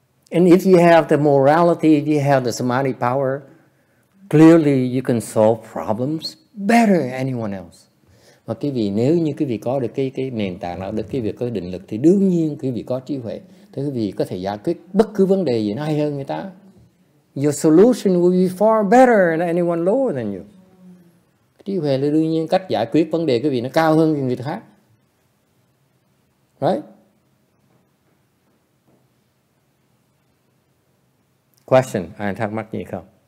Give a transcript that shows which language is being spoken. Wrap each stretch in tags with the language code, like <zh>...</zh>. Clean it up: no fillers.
<en>And if you have the morality, if you have the samadhi power, clearly you can solve problems better than anyone else.</en> <vi>Và quý vị, nếu như quý vị có được cái nền tảng đạo đức, quý vị có định lực, thì đương nhiên quý vị có trí huệ. Thế quý vị có thể giải quyết bất cứ vấn đề gì ai hơn người ta.</vi> <en>Your solution will be far better than anyone lower than you.</en> <vi>Trí huệ là đương nhiên cách giải quyết vấn đề quý vị nó cao hơn người khác. Right? Question, ai thắc mắc gì không?</vi>